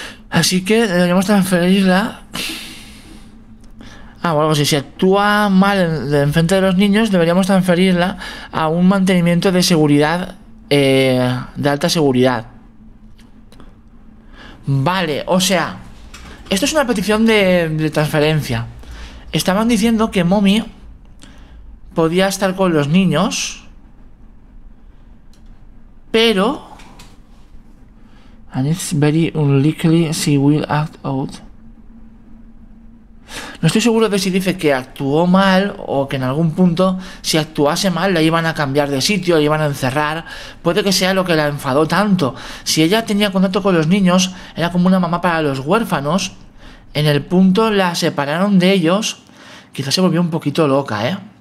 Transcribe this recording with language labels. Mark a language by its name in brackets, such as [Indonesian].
[Spanish] Así que deberíamos transferirla. Ah, bueno, si actúa mal en frente de los niños, deberíamos transferirla a un mantenimiento de seguridad, de alta seguridad. Vale, o sea, esto es una petición de transferencia. Estaban diciendo que Mommy podía estar con los niños, pero... [English] And it's very unlikely she will act out. [Spanish] No estoy seguro de si dice que actuó mal o que en algún punto, si actuase mal, la iban a cambiar de sitio, la iban a encerrar. Puede que sea lo que la enfadó tanto. Si ella tenía contacto con los niños, era como una mamá para los huérfanos, en el punto la separaron de ellos, quizás se volvió un poquito loca, ¿eh?